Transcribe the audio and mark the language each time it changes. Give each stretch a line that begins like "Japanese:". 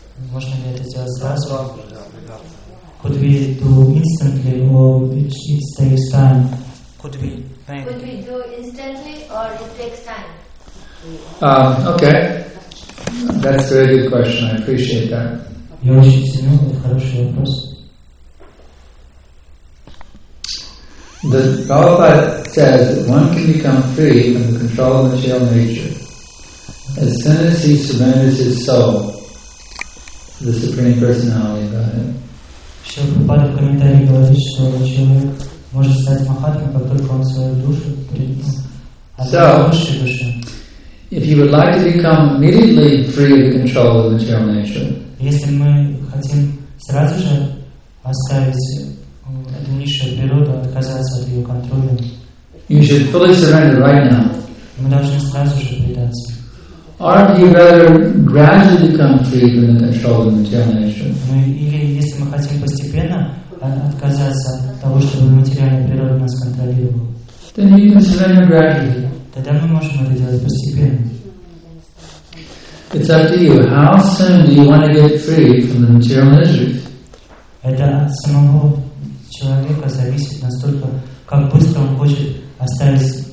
Russian: Можно ли это сделать сразу?
English: Could we do instantly or it takes time? Could we do instantly or it takes time? Okay. That's a very good question. I appreciate that.
Russian: Я очень ценю этот хороший вопрос.
English: The Prabhupada says that one can become free from the control of material nature as soon as he surrenders his soul to the Supreme Personality of Godhead.
Russian: Шрила Прабхупада в комментарии говорит, что человек может стать Махатмой, как только он свою душу принял.
English: So, if you would like to become immediately free of the control of material nature,
Russian: если мы хотим сразу же оставить эту низшую природу, отказаться от ее контроля,
English: you should fully surrender right now.
Russian: Мы должны сразу же предаться.
English: Or do you rather gradually become free from the control of material nature?
Russian: Или если мы хотим постепенно отказаться от того, чтобы материальная природа нас контролировала,
English: then you can surrender gradually.
Russian: Тогда мы можем это делать постепенно.
English: It's up to you. How soon do you want to get free from the material misery?
Russian: Это от самого человека зависит настолько, как быстро он хочет остаться